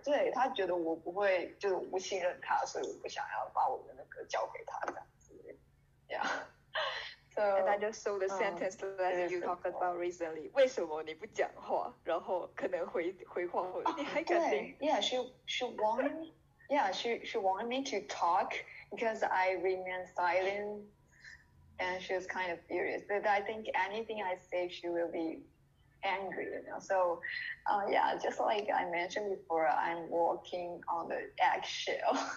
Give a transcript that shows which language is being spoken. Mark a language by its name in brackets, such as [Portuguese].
[Chinese] 对，她觉得我不会，就是不信任她，所以我不想要把我的那个交给她这样子。 [English] Yeah. So and I just saw the sentence that you talked about recently. [Chinese] 为什么你不讲话？然后可能回话后，你还敢听？ [English] 对 ，Yeah, she wanted me to talk because I remain silent, and she was kind of furious. But I think anything I say, she will be. Angry, you know. So, yeah, just like I mentioned before, I'm walking on the eggshell.